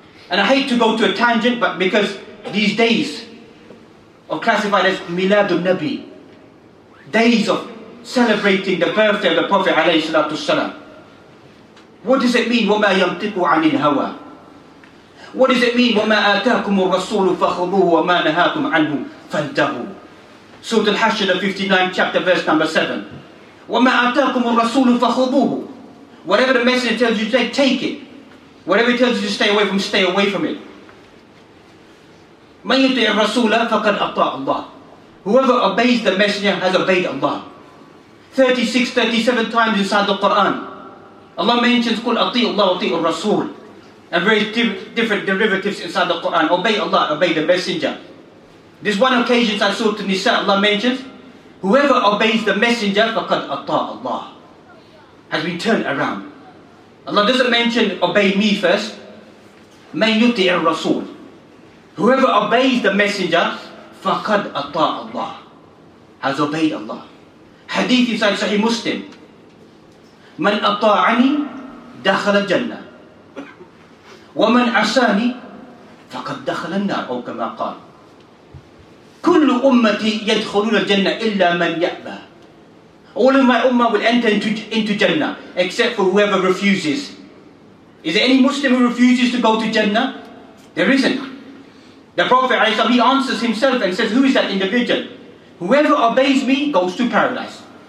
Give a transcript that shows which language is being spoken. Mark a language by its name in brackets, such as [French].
[English] And I hate to go to a tangent, but because these days are classified as Miladun Nabi, days of celebrating the birthday of the Prophet alayhi salatu salam. What does it mean, [Arabic] وَمَا يَنْطِقُ عَنِ الْهَوَى? [English] What does it mean, [Arabic] وَمَا آتَاكُمُ الرَّسُولُ فَخُذُوهُ وَمَا نَهَاكُمْ عَنْهُ فَانْتَهُوا. [English] Surah Al-Hashr 59, chapter verse number 7. [Arabic] وَمَا آتَاكُمُ الرَّسُولُ فَخُذُوهُ [English] Whatever the messenger tells you to take, take it. Whatever he tells you to stay away from, stay away from it. [Arabic] مَنْ يُطِعِ الرَّسُولَ فَقَدْ أَطَاعَ اللَّهِ. [English] Whoever obeys the messenger has obeyed Allah. 36, 37 times inside the Quran, Allah mentions [Arabic] قُلْ أَطِيعُ اللَّهُ وَأَطِيعُ الرَّسُولَ. [English] And very different derivatives inside the Quran. Obey Allah, obey the messenger. This one occasion in Surah An-Nisa, Allah mentions, whoever obeys the messenger, [Arabic] فَقَدْ أَطَاعَ اللَّهُ, [English] has been turned around. Allah doesn't mention, obey me first. [Arabic] مَنْ يُطِعِ الرَّسُولَ. [English] Whoever obeys the messenger, [Arabic] فَقَدْ أَطَاعَ اللَّهُ, [English] has obeyed Allah. Hadith inside Sahih Muslim, [Arabic] مَنْ أَطَاعَنِي دَخَلَ الْجَنَّةِ وَمَنْ عَسَانِي فَقَدْ دَخَلَ النَّارِ أو كَمَا قَالَ كُلُّ أُمَّتِي يَدْخُلُونَ الْجَنَّةِ إِلَّا مَنْ يَأْبَى. [English] All of my ummah will enter into Jannah except for whoever refuses. Is there any Muslim who refuses to go to Jannah? There isn't. The Prophet ﷺ, he answers himself and says, who is that individual? Whoever obeys me goes to paradise.